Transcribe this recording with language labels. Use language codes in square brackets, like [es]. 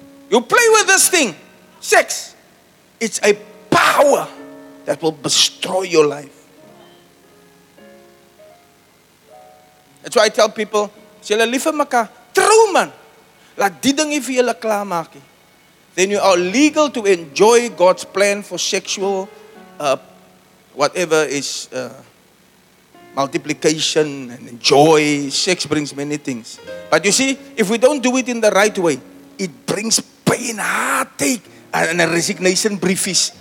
[en] You play with this thing, sex. It's a power that will destroy your life. That's why I tell people, [af] sila lief vir mekaar, trou man. Laat die ding vir julle klaar maak. [en] Then you are legal to enjoy God's plan for sexual, whatever is multiplication and joy. Sex brings many things. But you see, if we don't do it in the right way, it brings pain, heartache, and a resignation briefies.